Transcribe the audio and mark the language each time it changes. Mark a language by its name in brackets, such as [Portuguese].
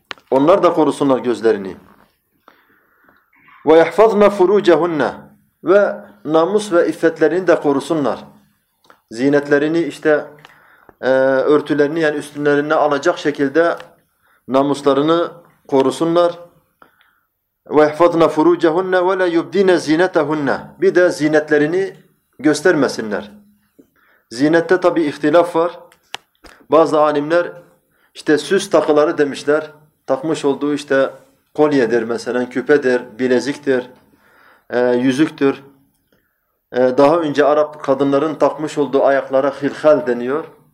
[Turkish] Onlar da korusunlar gözlerini. [Arabic] وَيَحْفَظْنَ فُرُوجَهُنَّ [Turkish] Ve namus ve iffetlerini de korusunlar. Ziynetlerini işte örtülerini yani üstlerine alacak şekilde namuslarını korusunlar. [Arabic] وَاِحْفَظْنَ فُرُوجَهُنَّ وَلَا يُبْدِينَ زِينَتَهُنَّ [Turkish] Bir de ziynetlerini göstermesinler. Ziynette tabi ihtilaf var. Bazı alimler işte süs takıları demişler. Takmış olduğu işte kolyedir mesela, küpedir, bileziktir, yüzüktür. Daha önce Arap kadınların takmış olduğu ayaklara hilhal deniyor.